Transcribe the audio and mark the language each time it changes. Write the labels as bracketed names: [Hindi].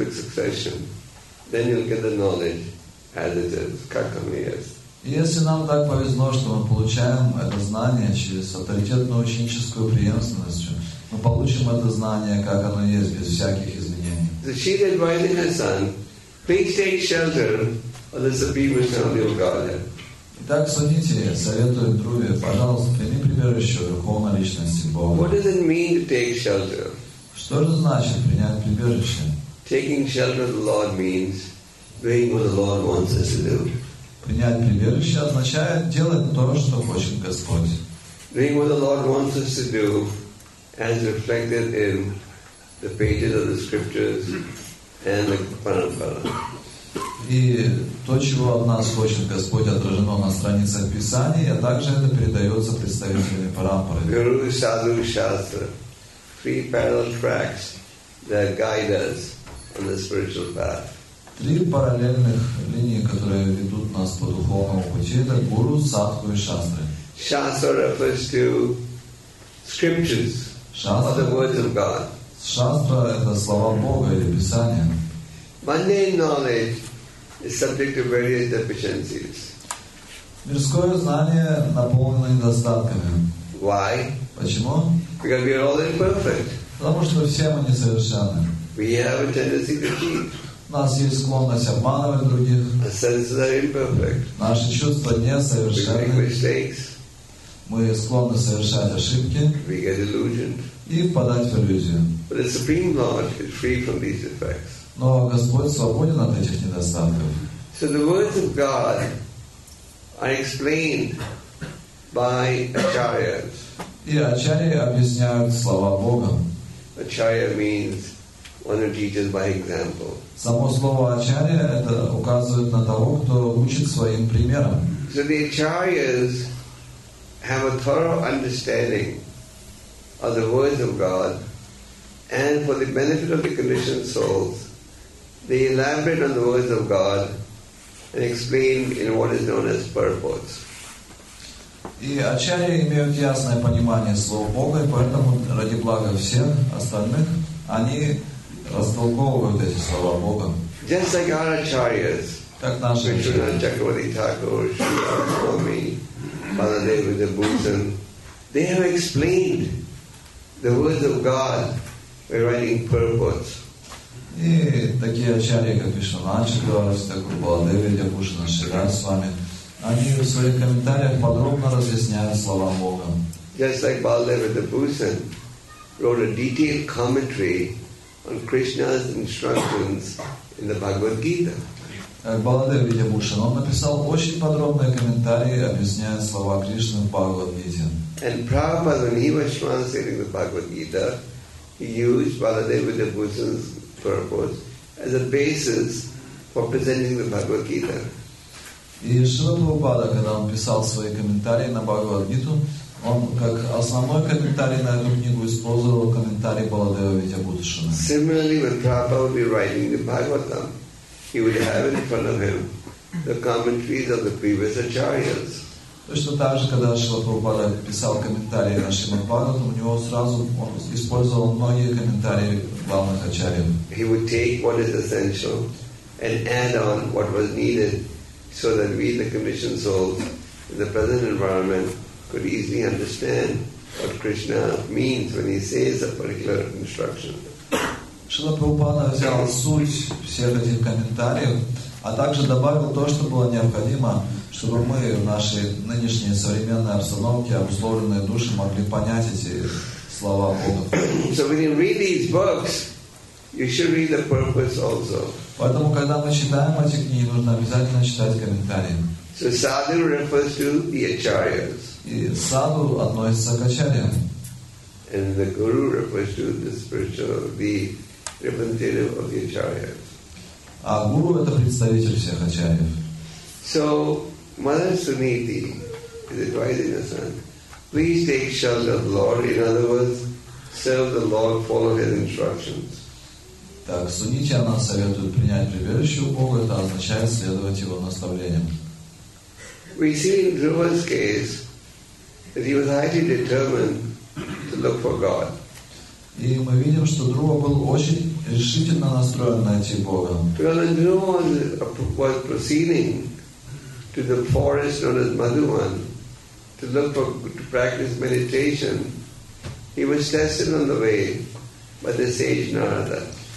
[English] Then you'll get the knowledge as it is, kakamiyas. [Russian] Если нам так повезло, что мы получаем это знание через авторитетную ученическую преемственность, мы получим это знание, как оно есть, без всяких изменений. [English] So she's advising her son, please take shelter of the Supreme Personality of Godhead. [Russian] Итак, Суните советует Друве, пожалуйста, прими прибежище Верховной Личности Бога. [English] What does it mean to take shelter? [Russian] Что же значит принять прибежище? [English] Taking shelter of the Lord means doing what the Lord wants us to do. [Russian] Принять прибежище означает делать то, что хочет Господь. [English] Doing what the Lord wants us to do, as reflected in the pages of the scriptures and the parampara. [Russian] И то, чего от нас хочет Господь, отражено на страницах Писания, а также это передается представителями парампары. [English] Guru, sadhu, shastra, three parallel tracks that guide us. On the spiritual path. [Russian] Три параллельных линии, которые ведут нас по духовному пути, это гуру, садху и шастры. [English] Shastra refers to scriptures, or the words of God. [Russian] Шастра это слова Бога или Писание. [English] Mundane knowledge is subject to various deficiencies. [Russian] Мирское знание наполнено недостатками. [English] Why? [Russian] Почему? [English] Because we are all imperfect. [Russian] Потому что все мы несовершенны. [English] We have a tendency to cheat. [Russian] Нас есть склонность обманывать других. [English] The senses are imperfect. [Russian] Наши чувства несовершенны. [English] We make mistakes. [Russian] Мы склонны совершать ошибки. [English] We get illusioned. [Russian] И впадать в иллюзию. [English] But the Supreme Lord is free from these defects. [Russian] Но Господь свободен от этих недостатков. [English] So the words of God are explained by acharyas. [Russian] И ачарьи объясняют слова Бога. [English] Acharya means one who teaches by example. [Russian] Само слово ачария это указывает на того, кто учит своим примером. [English] So the acharyas have a thorough understanding of the words of God, and for the benefit of the conditioned souls, they elaborate on the words of God and explain in what is known as purports. [Russian] И ачария имеют ясное понимание слова Бога, и поэтому ради блага всех остальных они растолковывают эти слова Бога. [English] Just like our acharyas, [Russian] как наши [English] Кришна, Чакравати Тхакур, Шри Свами, Баладева Дебусан, they have explained the words of God by writing purports. [Russian] И такие ачарьи, как Кришна, Чакравати Тхакур, Баладева Дебусан, Шри Свами, они в своих комментариях подробно разъясняют слова Бога. [English] Just like Баладева Дебусан wrote a detailed commentary on Krishna's instructions in the Bhagavad Gita. [Russian] Как Баладева Видьябхушан, он написал очень подробные комментарии, объясняя слова Кришны в Бхагавад Гите. [English] And Prabhupada, when he was translating the Bhagavad Gita, he used Baladeva Vidyabhushan's purpose as a basis for presenting the Bhagavad Gita. [Russian] И Шрила Прабхупада, когда он писал свои комментарии на Бхагавад Гиту, он как основной комментарий на эту книгу использовал комментарий Баладева Витябхушана. [English] Similarly, when Prabhupada would be writing the Bhagavatam, he would have in front of him the commentaries of the previous acharyas. [Russian] Точно так же, когда Шрила Прабхупада писал комментарии на Шримад Бхагаватам, у него сразу он использовал многие комментарии главных ачарьев. [English] He would take what is essential and add on what was needed, so that we, the conditioned souls, in the present environment, could easily understand what Krishna means when he says a particular instruction. [Russian] Шрила Прабхупада взял суть всех этих комментариев а также добавил то, что было необходимо, чтобы мы в нашей нынешней современной обстановке, обусловленной души, могли понять эти слова Бога. [English] So when you read these books, you should read the purpose also. [Russian] Поэтому, когда мы читаем эти книги, нужно обязательно читать комментарии. [English] So sadhu refers to the acharyas. [Russian] И саду относится к ачарьям. [English] And the guru refers to the spiritual, the representative of the acharyas. [Russian] А гуру — это представитель всех ачарьев. [English] So, Mother Suniti is advising us, please take shelter of the Lord. In other words, serve the Lord, follow His instructions. [Russian] Так, Сунити, она советует принять прибежище у Бога, это означает следовать Его наставлениям. [English] We see in Dhruva's case that he was highly determined to look for God. [Russian] И мы видим, что Друва был очень решительно настроен найти Бога. [English] Because Dhruva was proceeding to the forest known as Madhuvan to look for, to practice meditation, he was tested on the way by the sage Narada.